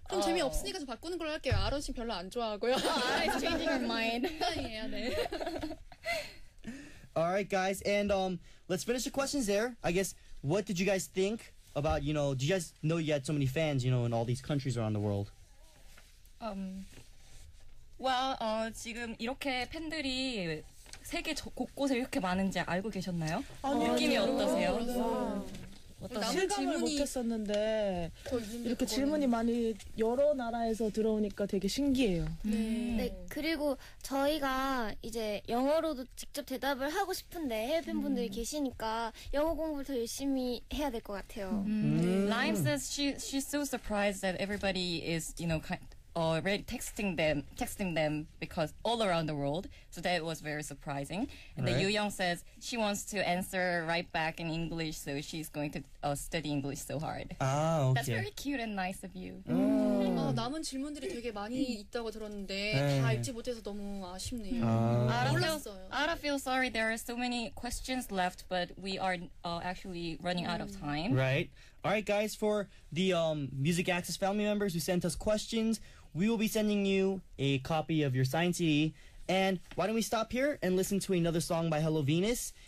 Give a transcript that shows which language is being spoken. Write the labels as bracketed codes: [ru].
[ko] 그럼 재미 없으니까 저 바꾸는 걸로 할게요. 아론 씨 별로 안 좋아하고요. [en] I was changing your mind. [ko] 아니에요, 네. [en] All right, guys, and let's finish the questions there. I guess, what did you guys think about, you know, do you guys know you had so many fans, you know, in all these countries around the world? Well, [ko] 지금 이렇게 팬들이 세계 곳곳에 이렇게 많은지 알고 계셨나요? 아니요. 느낌이 어떠세요? 실감을 못했었는데 이렇게 질문이 많이 여러 나라에서 들어오니까 되게 신기해요. 네. 네. 그리고 저희가 이제 영어로도 직접 대답을 하고 싶은데 해외 팬분들이 계시니까 영어 공부를 더 열심히 해야 될 것 같아요. [en] Lime says she's so surprised that everybody is, you know, already texting them because all around the world. So that was very surprising. And then Yu-young says she wants to answer right back in English, so she's going to study English so hard. Ah, okay. That's very cute and nice of you. Oh. [ko] 아, 남은 질문들이 되게 많이 있다고 들었는데 다 읽지 못해서 너무 아쉽네요. [en] I feel sorry. There are so many questions left, but we are actually running out of time. Right. All right, guys, for the Music Access family members who sent us questions, we will be sending you a copy of your signed CD. And why don't we stop here and listen to another song by Hello Venus?